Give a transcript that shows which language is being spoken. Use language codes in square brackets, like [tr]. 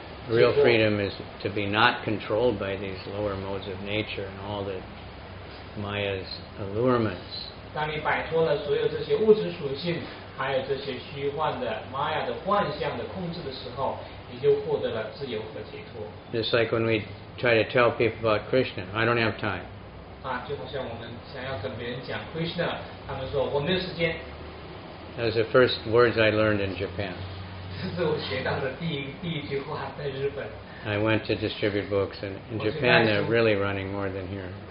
[en] Real freedom is to be not controlled by these lower modes of nature and all the Maya's allurements. [zh] 当你摆脱了所有这些物质属性，还有这些虚幻的玛雅的幻象的控制的时候，你就获得了自由和解脱。 [en] Just like when we try to tell people about Krishna, I don't have time. [zh] 啊，就好像我们想要跟别人讲 Krishna, 他们说我没有时间。 [en] That was the first words I learned in Japan. [zh] 这是我学到的第一句话，在日本。 [en] I went to distribute books, and in Japan they're really running more than here.